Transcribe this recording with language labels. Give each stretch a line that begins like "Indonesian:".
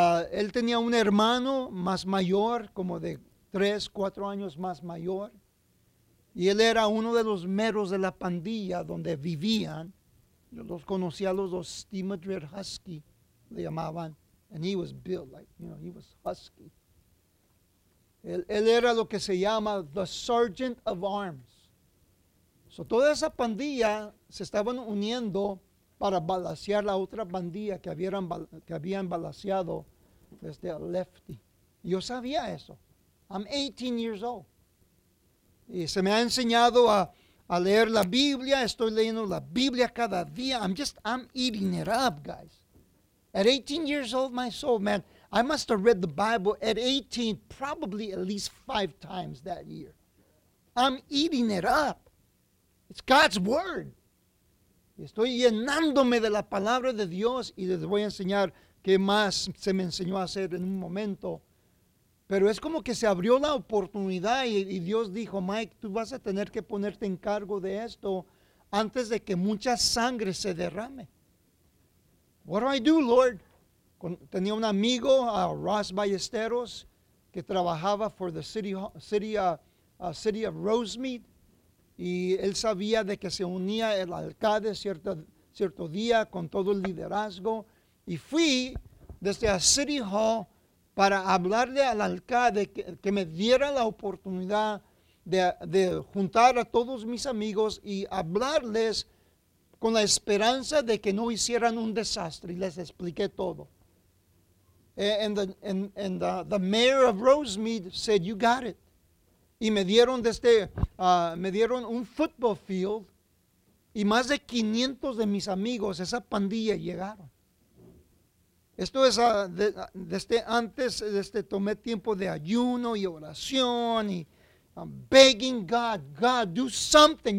Spanish: Él tenía un hermano más mayor, como de 3-4 años más mayor. Y él era uno de los meros de la pandilla donde vivían. Yo los conocía a los dos, Steve Madrid Husky, le llamaban.
English: And he was built like, you know, he was husky.
Spanish: Él era lo que se llama
English: the Sergeant of Arms.
Spanish: So toda esa pandilla se estaban uniendo para balacear la otra pandilla que habían balaceado desde el Lefty. Yo sabía eso.
English: I'm 18 years old.
Spanish: Y se me ha enseñado a leer la Biblia. Estoy leyendo la Biblia cada día.
English: I'm eating it up, guys. At 18 years old, my soul, man, I must have read the Bible at 18, probably at least 5 times that year. I'm eating it up. It's God's word.
Spanish: Estoy llenándome de la palabra de Dios y les voy a enseñar qué más se me enseñó a hacer en un momento. Pero es como que se abrió la oportunidad y Dios dijo, Mike, tú vas a tener que ponerte en cargo de esto antes de que mucha sangre se derrame.
English: What do I do, Lord?
Spanish: Tenía un amigo, Ross Ballesteros, que trabajaba
English: for the city of Rosemead.
Spanish: Y él sabía de que se unía el alcalde cierto día con todo el liderazgo. Y fui desde a City Hall para hablarle al alcalde que me diera la oportunidad de juntar a todos mis amigos y hablarles con la esperanza de que no hicieran un desastre. Y les expliqué todo.
English: And the mayor of Rosemead said, you got it.
Spanish: Y me dieron un football field y más de 500 de mis amigos, esa pandilla, llegaron. Esto es desde antes, tomé tiempo de ayuno y oración y
English: I'm begging God, God, do something.